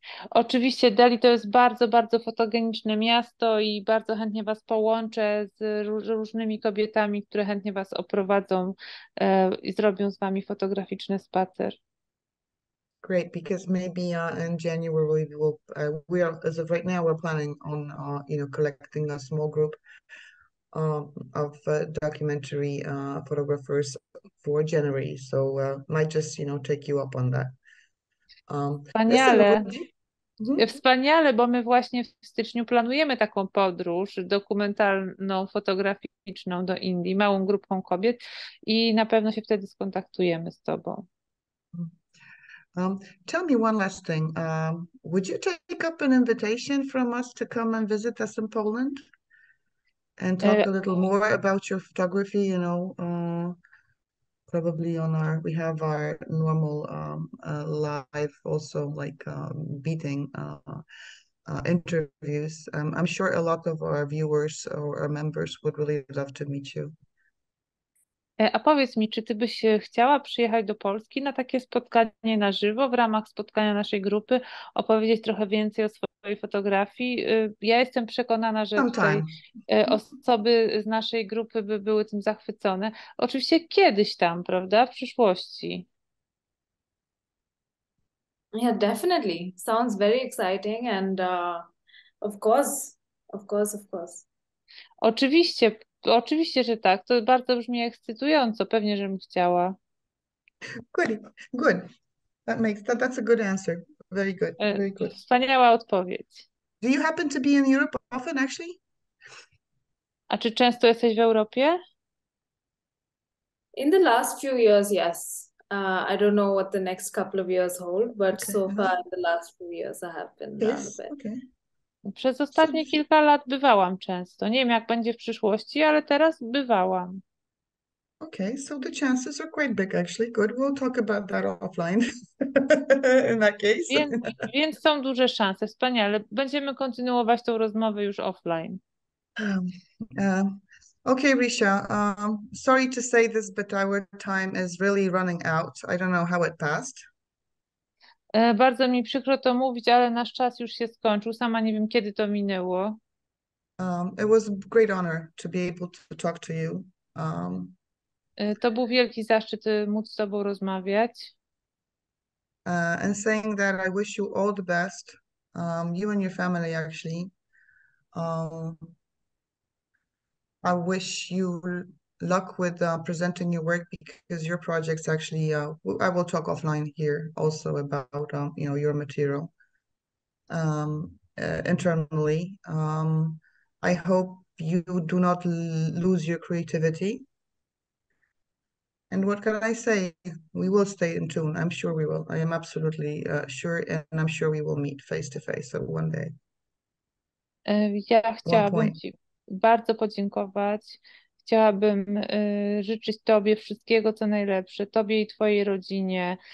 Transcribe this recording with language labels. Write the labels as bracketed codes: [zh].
[pl] Oczywiście, Delhi to jest bardzo, bardzo fotogeniczne miasto i bardzo chętnie Was połączę z różnymi kobietami, które chętnie Was oprowadzą i zrobią z Wami fotograficzny spacer. [en] Great, because maybe in January as of right now, we're planning on, you know, collecting a small group of documentary photographers for January. So might just, you know, take you up on that. [pl] Wspaniale. Wspaniale, bo my właśnie w styczniu planujemy taką podróż dokumentalną, fotograficzną do Indii, małą grupką kobiet i na pewno się wtedy skontaktujemy z tobą. [en] Tell me one last thing. Would you take up an invitation from us to come and visit us in Poland and talk a little more about your photography, you know, probably on our, we have our normal live also like beating interviews. I'm sure a lot of our viewers or our members would really love to meet you. [pl] A powiedz mi, czy ty byś chciała przyjechać do Polski na takie spotkanie na żywo w ramach spotkania naszej grupy, opowiedzieć trochę więcej o swojej fotografii? Ja jestem przekonana, że tutaj [en] Sometime. [pl] osoby z naszej grupy by były tym zachwycone. Oczywiście kiedyś tam, prawda? W przyszłości. [en] Yeah, definitely. Sounds very exciting and of course, of course, of course. [pl] Oczywiście. Oczywiście, że tak. To bardzo brzmi ekscytująco. Pewnie, żebym chciała. [en] Good, good. That's a good answer. Very good, very good. [pl] Wspaniała odpowiedź. [en] Do you happen to be in Europe often, actually? [pl] A czy często jesteś w Europie? [en] In the last few years, yes. I don't know what the next couple of years hold, but Okay, so far really? in the last few years, I have been around a Yes, bit. okay. [pl] Przez [en] So. [pl] ostatnie kilka lat bywałam często. Nie wiem, jak będzie w przyszłości, ale teraz bywałam. [en] Okay, so the chances are quite big, actually. Good. We'll talk about that offline in that [pl] Więc są duże szanse. Wspaniale. Będziemy kontynuować tą rozmowę już offline. [en] case. Okay, Risha. Sorry to say this, but our time is really running out. I don't know how it passed. [pl] Bardzo mi przykro to mówić, ale nasz czas już się skończył. Sama nie wiem, kiedy to minęło. [en] It was a great honor to be able to talk to you. [pl] To był wielki zaszczyt móc z Tobą rozmawiać. [en] And saying that I wish you all the best, you and your family actually. I wish you luck with presenting your work because your projects actually, I will talk offline here also about your material internally. I hope you do not lose your creativity. And what can I say? We will stay in tune. I'm sure we will. I am absolutely sure, and I'm sure we will meet face to face so one day. [pl] Ja [en] One [pl] chciałabym [en] point. [pl] Ci bardzo podziękować. Chciałabym życzyć Tobie wszystkiego, co najlepsze, Tobie i Twojej rodzinie.